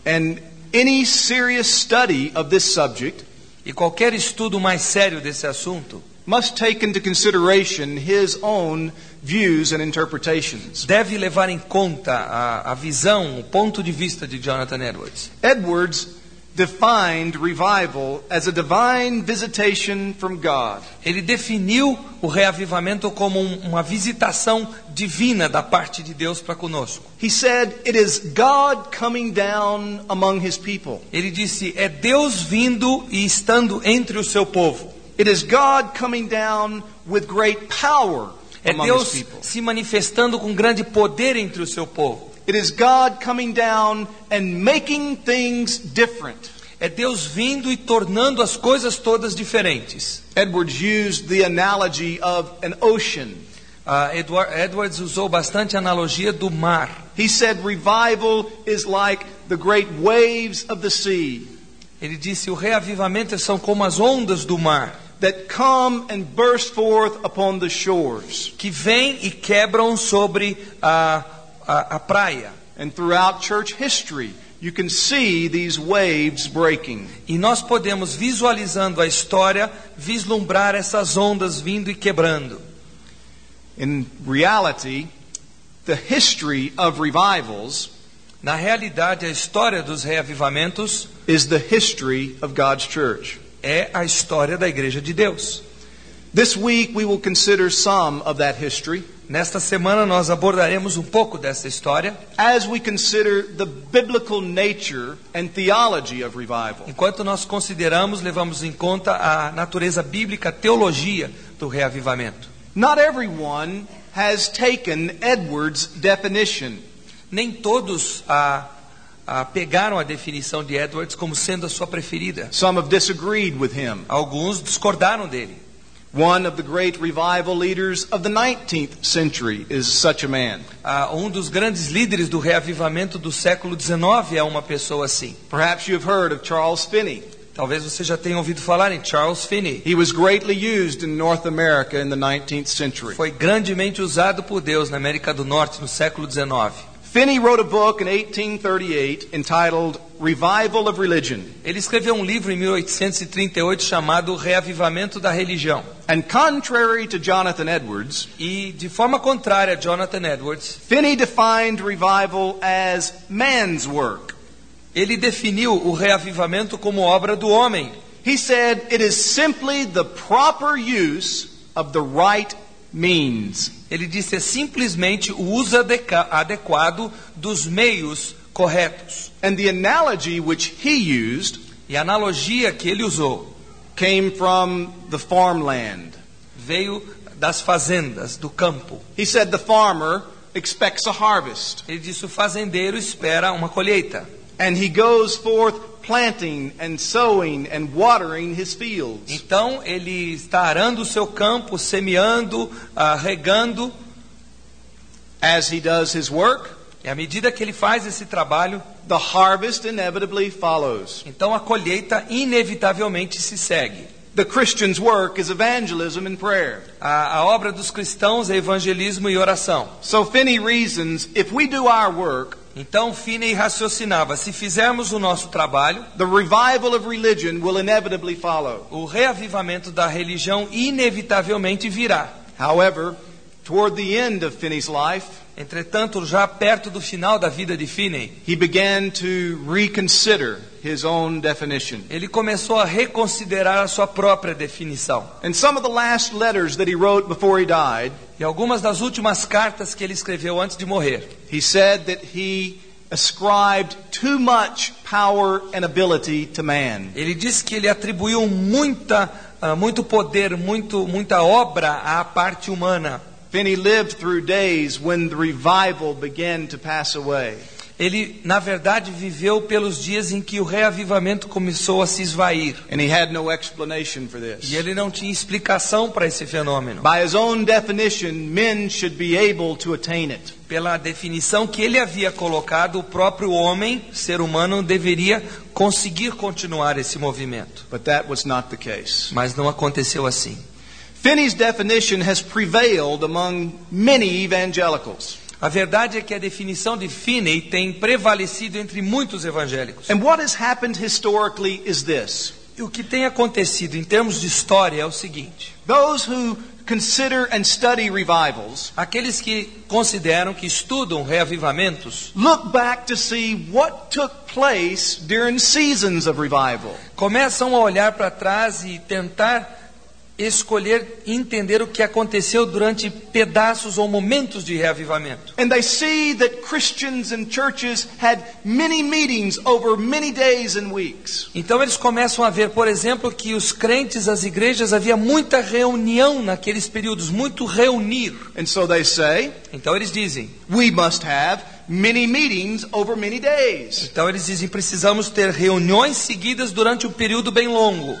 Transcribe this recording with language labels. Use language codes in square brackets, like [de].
[en] And any serious study of this subject, [pt] e qualquer estudo mais sério desse assunto, [en] must take into consideration his own views and interpretations. [pt] Deve levar em conta a visão, o ponto de vista de Jonathan Edwards. [en] Edwards defined revival as a divine visitation from God. [pt] Ele definiu o reavivamento como uma visitação divina da parte de Deus para conosco. [en] He said it is God coming down among his people. [pt] Ele disse é Deus vindo e estando entre o seu povo. [en] It is God coming down with great power among his people. [pt] É Deus se manifestando com grande poder entre o seu povo. [en] It is God coming down and making things different. [pt] É Deus vindo e tornando as coisas todas diferentes. [en] Edwards used the analogy of an ocean. [pt] Edwards usou bastante a analogia do mar. [en] He said revival is like the great waves of the sea. [pt] Ele disse o reavivamento são como as ondas do mar. [en] That come and burst forth upon the shores. [pt] Que vêm e quebram sobre a praia. [en] And throughout church history, you can see these waves breaking. [pt] E nós podemos, visualizando a história, vislumbrar essas ondas vindo e quebrando. [en] In reality, the history of revivals, [pt] na realidade, a história dos reavivamentos, [en] is the history of God's church. [pt] É a história da Igreja de Deus. [en] This week we will consider some of that history. [pt] Nesta semana nós abordaremos um pouco dessa história. [en] As we consider the biblical nature and theology of revival. [pt] Enquanto nós consideramos, levamos em conta a natureza bíblica, a teologia do reavivamento. [en] Not everyone has taken Edwards' definition. [pt] Nem todos pegaram a definição de Edwards como sendo a sua preferida. [en] Some have disagreed with him. [pt] Alguns discordaram dele. [en] One of the great revival leaders of the 19th century is such a man. [pt] Um dos grandes líderes do reavivamento do século 19 é uma pessoa assim. [en] Perhaps you have heard of Charles Finney. [pt] Talvez você já tenha ouvido falar em Charles Finney. [en] He was greatly used in North America in the 19th century. [pt] Foi grandemente usado por Deus na América do Norte no século 19. [en] Finney wrote a book in 1838 entitled Revival of Religion. [pt] Ele escreveu um livro em 1838 chamado Reavivamento da Religião. [en] And contrary to Jonathan Edwards, [pt] e de forma contrária a Jonathan Edwards, [en] Finney defined revival as man's work. [pt] Ele definiu o reavivamento como obra do homem. [en] He said it is simply the proper use of the right means. [pt] Ele disse é simplesmente o uso adequado dos meios corretos. [en] And the analogy which he used, [pt] e a analogia que ele usou, [en] came from the farmland. [pt] Veio das fazendas, do campo. [en] He said the farmer expects a harvest. [pt] Ele disse o fazendeiro espera uma colheita. [en] And he goes forth planting and sowing and watering his fields. [pt] Então ele está arando o seu campo, semeando, regando. [en] As he does his work, [pt] e à medida que ele faz esse trabalho, [en] the harvest inevitably follows. [pt] Então a colheita inevitavelmente se segue. [en] The Christian's work is evangelism and prayer. [pt] A obra dos cristãos é evangelismo e oração. [en] So Finney reasons, if we do our work, [pt] então Finney raciocinava, se fizermos o nosso trabalho, [en] the revival of religion will inevitably follow. [pt] O reavivamento da religião inevitavelmente virá. [en] However, toward the end of Finney's life, [pt] entretanto, já perto do final da vida de Finney, [en] he began to reconsider his own definition. [pt] Ele começou a reconsiderar a sua própria definição. [en] And some of the last letters that he wrote before he died, [pt] e algumas das últimas cartas que ele escreveu antes de morrer. [en] He said that he ascribed too much power and ability to man. [pt] Ele disse que ele atribuiu muito poder, muita obra à parte humana. [en] Finney lived through days when the revival began to pass away. [pt] Ele, na verdade, viveu pelos dias em que o reavivamento começou a se esvair. [en] And he had no explanation for this. [pt] E ele não tinha explicação para esse fenômeno. [en] By his own definition, men should be able to attain it. [pt] Pela definição que ele havia colocado, o próprio homem, ser humano, deveria conseguir continuar esse movimento. [en] But that was not the case. [pt] Mas não aconteceu assim. [en] Finney's definition has prevailed among many evangelicals. [pt] A verdade é que a definição de Finney tem prevalecido entre muitos evangélicos. [en] And what has happened historically is this. [pt] E o que tem acontecido em termos de história é o seguinte. [en] Those who consider and study revivals, [pt] aqueles que consideram, que estudam reavivamentos, [en] look back to see what took place during seasons of revival. [pt] Começam a olhar para trás e tentar escolher entender o que aconteceu durante pedaços ou momentos de reavivamento. [en] And they see that Christians and churches had many meetings over many days and weeks. [pt] Então eles começam a ver, por exemplo, que os crentes, as igrejas, havia muita reunião naqueles períodos, muito reunir. [en] And so they say, [pt] então eles dizem, [en] we must have many meetings over many days. [pt] Então eles dizem, precisamos ter reuniões seguidas durante um período bem longo.